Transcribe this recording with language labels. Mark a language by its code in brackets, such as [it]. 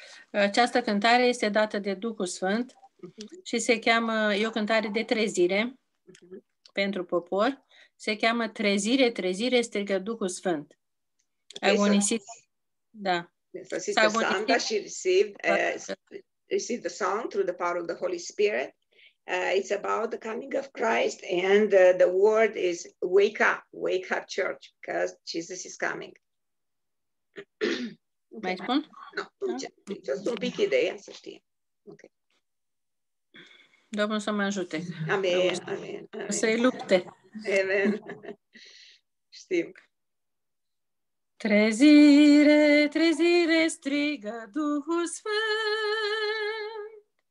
[ro] Această cântare este dată de Duhul Sfânt și se cheamă, e o cântare de trezire pentru popor. Se cheamă Trezire, trezire, strigă Duhul Sfânt. Agonisit. Da. [en] Yes, so agonisit. Santa, she received the song through the power of the Holy Spirit. It's about the coming of Christ and the word is wake up church, because Jesus is coming. [ro] Mai spun? [en] No, just [ro] un pic ideea, să știe. Ok. Domnul să mă ajute. Amen, amen, amen. Să-i lupte. Amen. Știm. Trezire, trezire, strigă Duhul Sfânt.